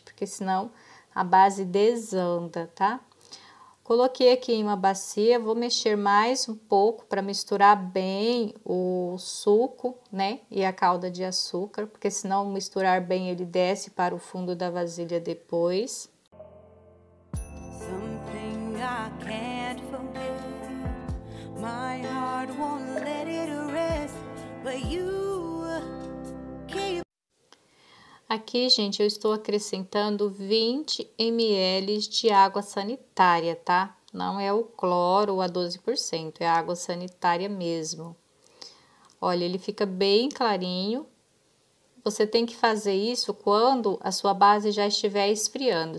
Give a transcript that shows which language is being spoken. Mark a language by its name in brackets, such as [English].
[Portuguese] Porque senão a base desanda, tá? Coloquei aqui em uma bacia, vou mexer mais um pouco para misturar bem o suco, né? E a calda de açúcar, porque senão misturar bem ele desce para o fundo da vasilha depois. [English] Something I can't forget. My heart won't let it rest, but you keep. [Portuguese] Aqui, gente, eu estou acrescentando 20 ml de água sanitária, tá? Não é o cloro a 12%, é a água sanitária mesmo. Olha, ele fica bem clarinho. Você tem que fazer isso quando a sua base já estiver esfriando.